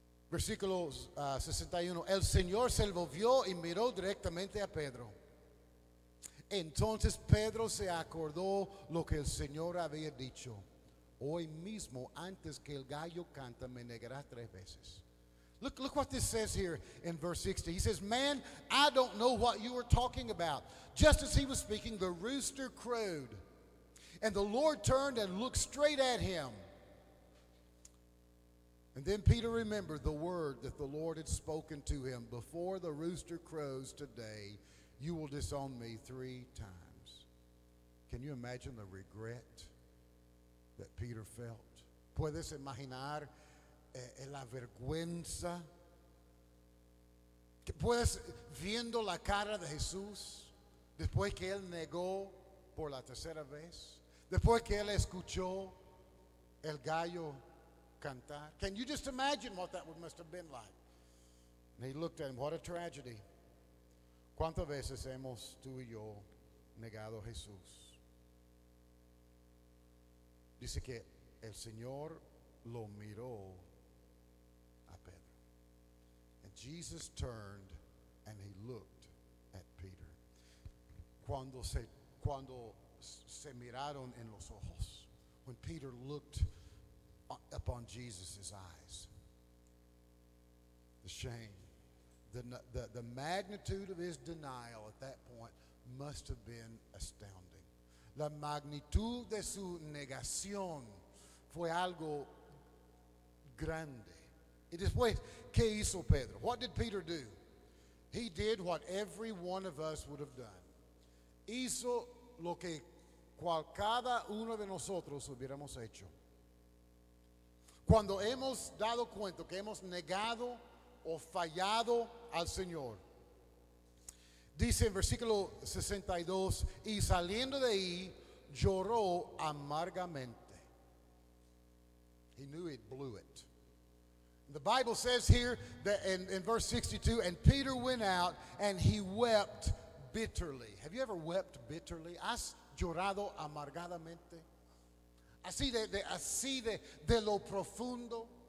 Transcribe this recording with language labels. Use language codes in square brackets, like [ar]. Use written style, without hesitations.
[es] Versículo 61. El Señor se volvió y miró directamente a Pedro. Entonces Pedro se acordó lo que el Señor había dicho. Hoy mismo, antes que el gallo canta, me negará tres veces. [en] Look what this says here in verse 60. He says, man, I don't know what you are talking about. Just as he was speaking, the rooster crowed. And the Lord turned and looked straight at him. And then Peter remembered the word that the Lord had spoken to him. Before the rooster crows today, you will disown me three times. Can you imagine the regret that Peter felt? [es] ¿Puedes imaginar la vergüenza? ¿Puedes viendo la cara de Jesús después que él negó por la tercera vez? Después que él escuchó el gallo cantar. [en] Can you just imagine what that must have been like? And he looked at him. What a tragedy. [es] ¿Cuántas veces hemos tú y yo negado a Jesús? Dice que el Señor lo miró a Pedro. And [en] Jesus turned and he looked at Peter. [es] Cuando se miraron en los ojos, [en] when Peter looked upon Jesus' eyes, the shame, the magnitude of his denial at that point must have been astounding. [es] La magnitud de su negación fue algo grande. Y después, ¿qué hizo Pedro? [en] What did Peter do? He did what every one of us would have done. [es] Hizo lo que cual cada uno de nosotros hubiéramos hecho. Cuando hemos dado cuenta que hemos negado o fallado al Señor, dice en versículo 62, y saliendo de ahí, lloró amargamente. [en] He knew he blew it. The Bible says here that in verse 62, and Peter went out and he wept bitterly. Have you ever wept bitterly? [es] ¿Has llorado amargadamente? Así de lo profundo.